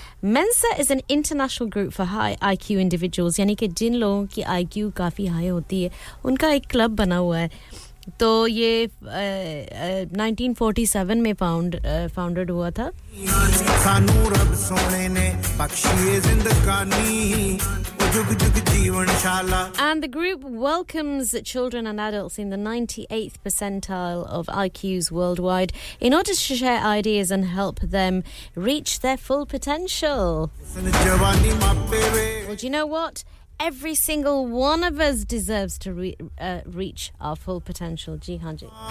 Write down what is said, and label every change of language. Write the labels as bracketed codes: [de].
[en] Mensa is an international group for high IQ individuals. [hi] Yani ke jin logon ki IQ kafi high hoti hai, unka ek club bana hua hai. तो ये 1947 में founded हुआ था [pa] सानू रब सोने ने बख्शी जिंदगानी जुग जुग जीवनशाला [en] and the group welcomes children and adults in the 98th percentile of IQs worldwide in order to share ideas and help them reach their full potential well, do you know what Every single one of us deserves to reach our full potential. [hi] Ji haan ji.